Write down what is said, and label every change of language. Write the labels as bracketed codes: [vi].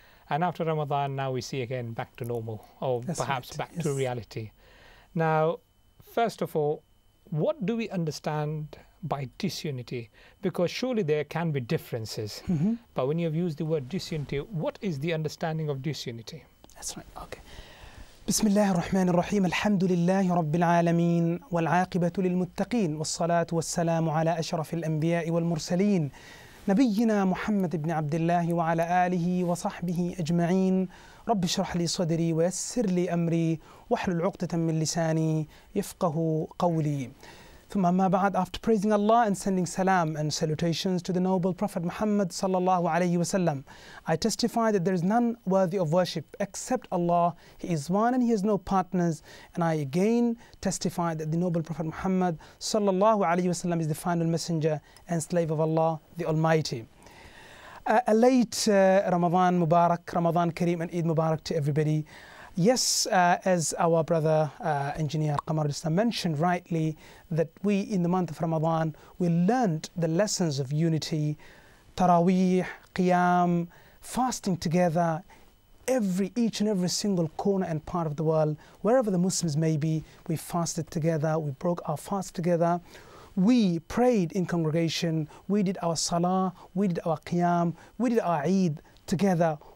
[en] And after Ramadan, now we see again back to normal, or that's perhaps right, back to reality. Now, first of all, what do we understand by disunity? Because surely there can be differences. Mm-hmm. But when you've used the word disunity, what is the understanding of disunity? That's right. Okay. [ar] بسم الله الرحمن الرحيم الحمد لله رب العالمين والعاقبة للمتقين والصلاة والسلام على أشرف الأنبياء والمرسلين نبينا محمد بن عبد الله وعلى آله وصحبه أجمعين رب اشرح لي صدري ويسر لي أمري واحلل عقدة من لساني يفقه قولي ثم ما بعد [en] after praising Allah and sending salam and salutations to the noble Prophet Muhammad sallallahu alayhi wa sallam, I testify that there is none worthy of worship except Allah. He is one and he has no partners. And I again testify that the noble Prophet Muhammad sallallahu alayhi wa sallam is the final messenger and slave of Allah, the Almighty. A late Ramadan Mubarak, Ramadan Kareem and Eid Mubarak to everybody. Yes, as our brother engineer Qamarul Islam mentioned rightly, that we in the month of Ramadan, we learned the lessons of unity, Taraweeh, Qiyam, fasting together, each and every single corner and part of the world, wherever the Muslims may be, we fasted together, we broke our fast together, we prayed in congregation, we did our Salah, we did our Qiyam, we did our Eid together.